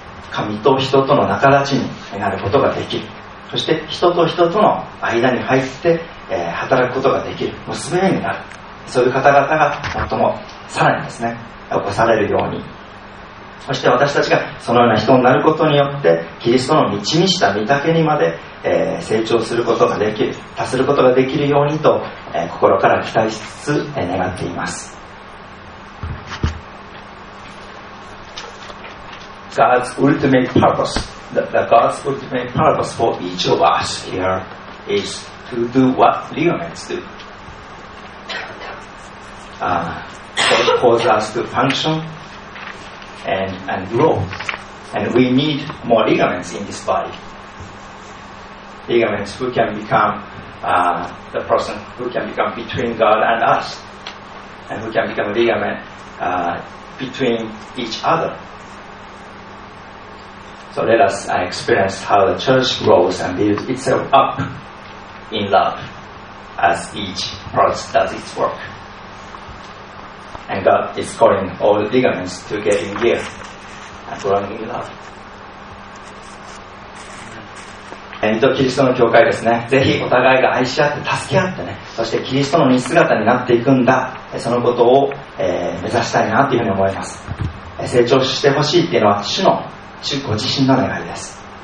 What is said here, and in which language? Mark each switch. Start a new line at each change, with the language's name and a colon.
Japanese: 神と人との仲立ちになることができる、そして人と人との間に入って、働くことができる、結び目になる、そういう方々がもっともさらにですね、起こされるように、そして私たちがそのような人になることによってキリストの導きした御丈にまで成長することができる、達することができるようにと心から期待しつつ願っています。
English: God's ultimate purpose the God's ultimate purpose for each of us here is to do what ligaments do God causes us to functionand grow, and we need more ligaments in this body. Ligaments who can become the person who can become between God and us, and who can become a ligament between each other. So let us experience how the church grows and builds itself up in love as each part does its work. And God is calling all ligaments to get in gear and growing in love. And to Christ
Japanese: の教会ですね、ぜひお互いが愛し合って助け合ってね、そしてキリストの似姿になっていくんだ、そのことを、目指したいなというふうに思います。成長してほしいっていうのは主の、主ご自身の願いです。